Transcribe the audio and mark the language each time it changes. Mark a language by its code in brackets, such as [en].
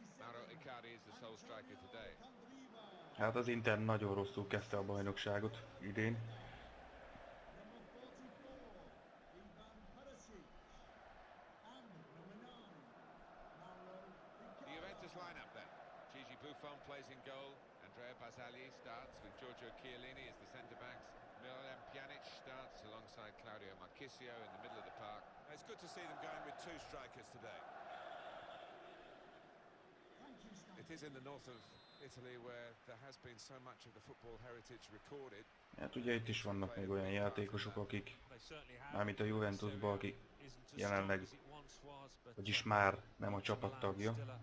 [en] Mauro Icardi is the sole striker today. [hu] Hát az Inter nagyon rosszul kezdte a bajnokságot idén. [en] The Juventus lineup then. Gigi Buffon plays in goal. Andrea Bazzali starts with Giorgio Chiellini as the centre backs. Milan Pjanic starts alongside Claudio Marchisio in the middle of the park. It's good to see them going with two strikers today. It is in the north of Italy where there has been so much of the football heritage recorded. [hu] Hát ugye itt is vannak még olyan játékosok, akik, mármint a Juventusban, aki jelenleg, vagyis már nem a csapat tagja.